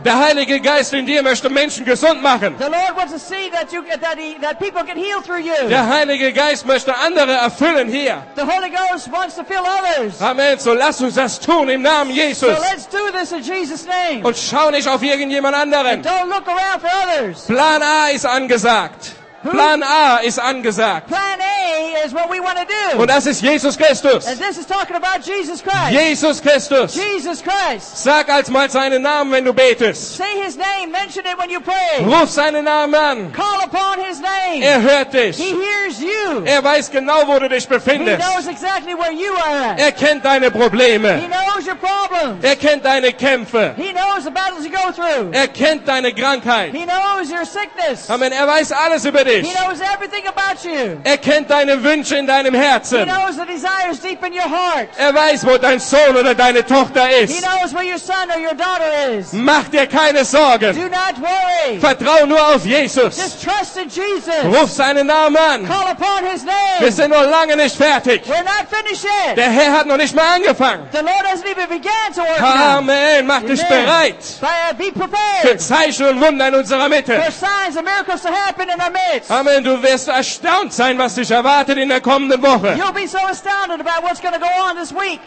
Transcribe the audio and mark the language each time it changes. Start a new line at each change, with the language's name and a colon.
German: Der Heilige Geist in dir möchte Menschen gesund machen.
English: The Lord wants to see that you that people can heal through you.
German: Der Heilige Geist möchte andere erfüllen hier.
English: The Holy Ghost wants to fill others. Amen.
German: So lass uns das tun im Namen Jesus.
English: So let's do this in Jesus' name.
German: Und schau nicht auf irgendjemand anderen.
English: And don't look around for others.
German: Plan A ist angesagt. Plan A ist angesagt.
English: Plan A is what we want to do.
German: Und das ist Jesus Christus.
English: And this is talking about Jesus Christ.
German: Jesus Christus.
English: Jesus Christ.
German: Sag alsmal seinen Namen, wenn du betest.
English: Say his name, mention it when you pray.
German: Ruf seinen Namen an.
English: Call upon his name.
German: Er hört dich.
English: He hears you.
German: Er weiß genau, wo du dich befindest.
English: He knows exactly where you are at.
German: Er kennt deine Probleme.
English: He knows your problems.
German: Er kennt deine Kämpfe.
English: He knows the battles you go through.
German: Er kennt deine Krankheit.
English: He knows your sickness.
German: Amen. Er weiß alles über dich.
English: He knows everything about you.
German: Er kennt deine Wünsche in deinem Herzen.
English: He knows the desires deep in your heart.
German: Er weiß, wo dein Sohn oder deine Tochter ist.
English: He knows where your son or your daughter is.
German: Mach dir keine Sorgen.
English: Do not worry.
German: Vertrau nur auf Jesus.
English: Just trust in Jesus.
German: Ruf seinen Namen an.
English: Call upon his name.
German: Wir sind noch lange nicht fertig.
English: We're not finished yet.
German: Der Herr hat noch nicht mal angefangen.
English: The Lord hasn't even began to work.
German: Amen. Mach dich bereit.
English: Be prepared.
German: Für Zeichen und Wunder in unserer Mitte.
English: For signs and miracles to happen in our midst.
German: Amen, du wirst erstaunt sein, was dich erwartet in der kommenden Woche.
English: You'll be so astounded about what's going to go on this week.